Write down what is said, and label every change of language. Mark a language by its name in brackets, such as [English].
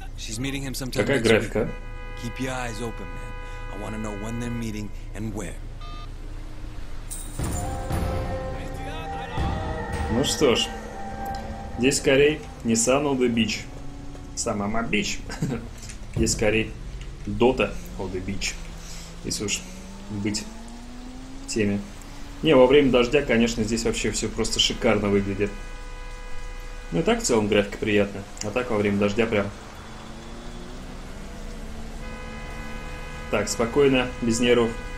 [English] She's meeting him sometime [Russian] Какая [English] next week. [Russian] Графика? [English] Keep your eyes open, man. I want to know when they're meeting and where. [Russian] Ну что ж, здесь скорее не [English] Sun of the Beach. [Russian] Сама ма бич. Здесь скорее [English] Dota of the Beach. [Russian] Если уж быть в теме. Не, во время дождя, конечно, здесь вообще все просто шикарно выглядит. Ну и так в целом графика приятная, а так во время дождя прям. Так, спокойно, без нервов.